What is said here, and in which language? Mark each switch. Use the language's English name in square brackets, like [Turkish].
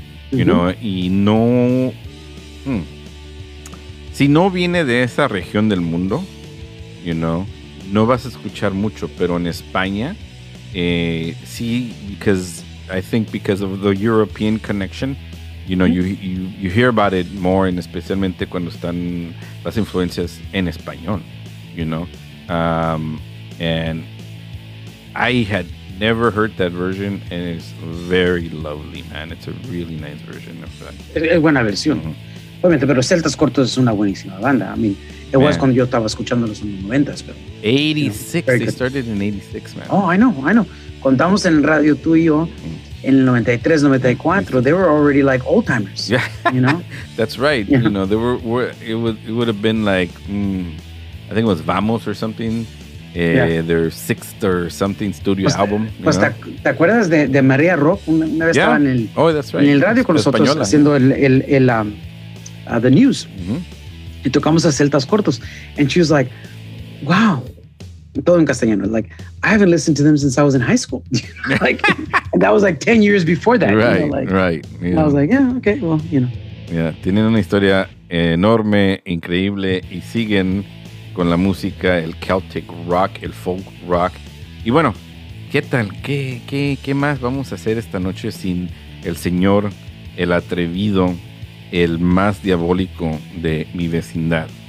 [Spanish] You mm-hmm. know, y no. Si no viene de esa región del mundo, you know, no vas a escuchar mucho, pero en España, sí, [English] because I think because of the European connection, you know, you hear about it more, and [Spanish] especialmente cuando están las influencias en español, you know. [English] And I had never heard that version, and it's very lovely, man. It's a really nice version of that. [Spanish] Es buena versión. Mm-hmm. Obviamente, pero Celtas Cortos es una buenísima banda. [English] I mean, it was [Spanish] cuando yo estaba escuchándolos en los 90s, pero... [English] 86, you know, they started in 86, man. Oh, I know. [Spanish] Contamos en radio tú y yo en el 93, 94, [English] they were already like old-timers, yeah. You know? That's right, yeah. You know, they were it would have been like, I think it was Vamos or something, Their sixth or something studio album. [Spanish] Pues te acuerdas de María Rock, una vez estaba en el radio con nosotros haciendo [English] the news. [Spanish] Mm-hmm. Y tocamos a Celtas Cortos. [English] And she was like, wow. [Spanish] Todo en castellano. [English] Like, I haven't listened to them since I was in high school. Like, that was like 10 years before that. Right, you know, right. Yeah. I was like, yeah, okay, well, you know. [Spanish] Yeah, tienen una historia enorme, increíble, y siguen con la música, el Celtic rock, el folk rock. Y bueno, ¿qué tal? ¿Qué más vamos a hacer esta noche sin el señor, el atrevido, el más diabólico de mi vecindad?